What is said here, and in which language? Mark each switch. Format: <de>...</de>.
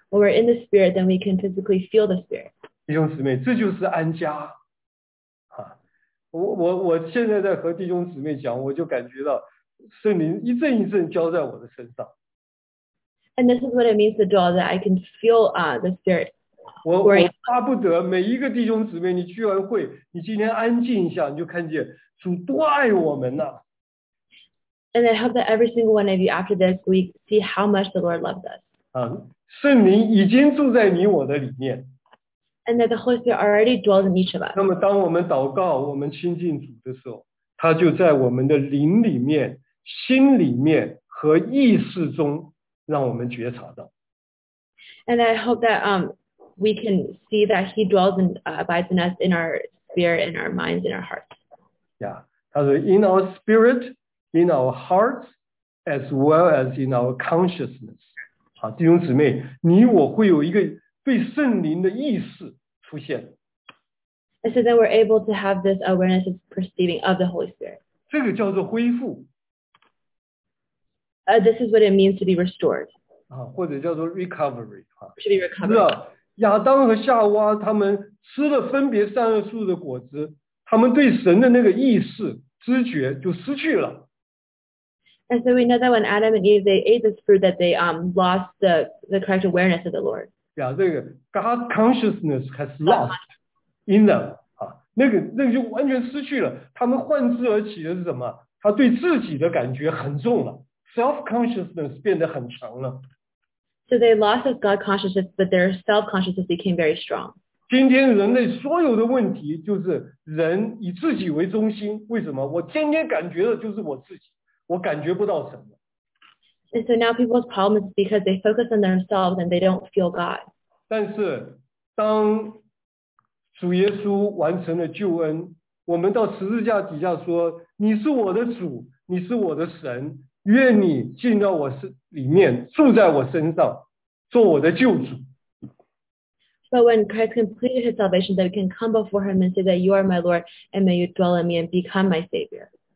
<en>When we're in the spirit, then we can physically feel the spirit.</en> <zh>弟兄姊妹，这就是安家。我现在在和弟兄姊妹讲，我就感觉到圣灵一阵一阵浇在我的身上。</zh> <en>And this is what it means to dwell, that I can feel the spirit.</en> <zh>我巴不得每一个弟兄姊妹，你居然会，你今天安静一下，你就看见主多爱我们呐。</zh> <en>And I hope that every single one of you after this, we see how much the Lord loves us.</en> <zh>圣灵已经住在你我的里面。</zh> <en>And that the Holy Spirit already dwells in each of us.</en> <zh>那么当我们祷告，我们亲近主的时候，他就在我们的灵里面、心里面和意识中让我们觉察到。</zh> <en>And I hope that we can see that he dwells and abides in us in our spirit, in our minds, in our hearts. Yeah,</en> <zh>他说</zh> <en>in our spirit,in our hearts, as well as in our consciousness.</en> <zh>好，弟兄姊妹，你我会有一个被圣灵的意识出现。</zh> <en>And so then we're able to have this awareness of perceiving of the Holy Spirit.</en> <zh>这个叫做恢复。</zh> <en>This is what it means to be restored.</en> <zh>或者叫做 recovery.</zh> <en>Should be recovered.</en> <zh>是啊，亚当和夏娃他们吃了分别善恶树的果子，他们对神的那个意识、知觉就失去了。</zh> <en>And so we know that when Adam and Eve, they ate this fruit, that they lost the correct awareness of the Lord. Yeah,</en> <zh>这个</zh> <en>God consciousness has lost in them.</en> <zh>那个就完全失去了。他们换之而起的是什么？他对自己的感觉很重了。 Self-consciousness 变得很强了。</zh> <en>So they lost this God consciousness, but their self-consciousness became very strong.</en> <zh>今天人类所有的问题就是人以自己为中心。为什么？我天天感觉的就是我自己。我感觉不到什么。</zh> <en>And so now people's problem is because they focus on themselves and they don't feel God.</en> <zh>但是当主耶稣完成了救恩，我们到十字架底下说，你是我的主，你是我的神，愿你进到我里面，住在我身上，做我的救主。</zh> <en>But when Christ completed his salvation, that we can come before him and say that you are my Lord and may you dwell in me and become my Savior.</en>